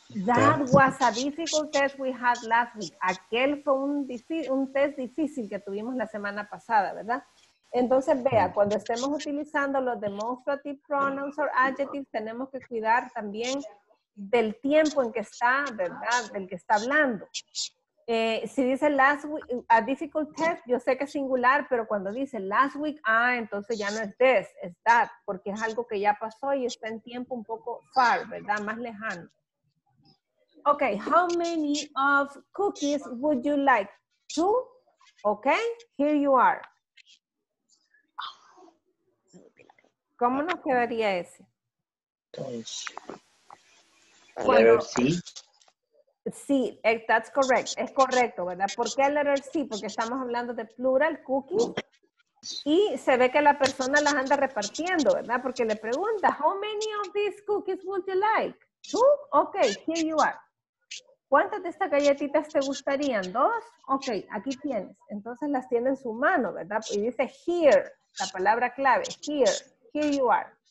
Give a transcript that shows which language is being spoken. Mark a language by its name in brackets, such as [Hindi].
[English] That was a difficult test we had last week. [Spanish] Aquel fue un test difícil que tuvimos la semana pasada, ¿verdad? Entonces, vea, cuando estemos utilizando los demonstrative pronouns or adjectives, tenemos que cuidar también del tiempo en que está, ¿verdad? Del que está hablando. Si dice last week, a difficult test, yo sé que es singular, pero cuando dice last week, entonces ya no es this, es that, porque es algo que ya pasó y está en tiempo un poco far, ¿verdad? Más lejano. [English] Okay, how many of cookies would you like? Two? Okay, here you are. [Spanish] ¿Cómo nos quedaría ese? [English] Letter C. [Spanish] Sí, [English] that's correct. [Spanish] Es correcto, ¿verdad? ¿Por qué letter C? Porque estamos hablando de plural, cookies. Y se ve que la persona las anda repartiendo, ¿verdad? Porque le pregunta, [English] how many of these cookies would you like? Two? Okay, here you are. [Spanish] ¿Cuántas de estas galletitas te gustarían? ¿Dos? Ok, aquí tienes. Entonces las tiene en su mano, ¿verdad? Y dice here, la palabra clave. [English] Here you are.